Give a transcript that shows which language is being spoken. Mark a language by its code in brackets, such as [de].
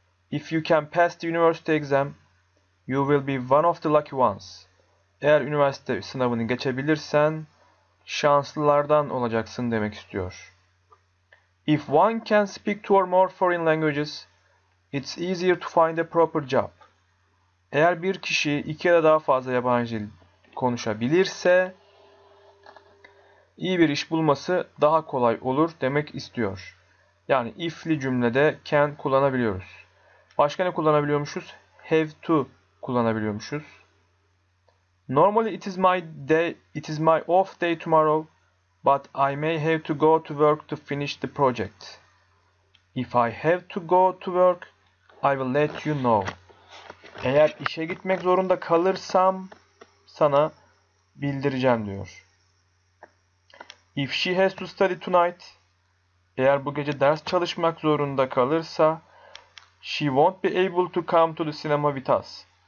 [en] If you can pass the university exam, you will be one of the lucky ones. [tr] Eğer üniversite sınavını geçebilirsen şanslılardan olacaksın demek istiyor. [en] If one can speak two or more foreign languages, it's easier to find a proper job. [tr] Eğer bir kişi iki ya da daha fazla yabancı dil konuşabilirse iyi bir iş bulması daha kolay olur demek istiyor. Yani if'li cümlede can kullanabiliyoruz. Başka ne kullanabiliyormuşuz? Have to kullanabiliyormuşuz. [en] Normally it is my off day tomorrow, but I may have to go to work to finish the project. If I have to go to work, I will let you know. [tr] Eğer işe gitmek zorunda kalırsam sana bildireceğim diyor. [en] If she has to study tonight, [tr] eğer bu gece ders çalışmak zorunda kalırsa, [en] she won't be able to come to the cinema with us.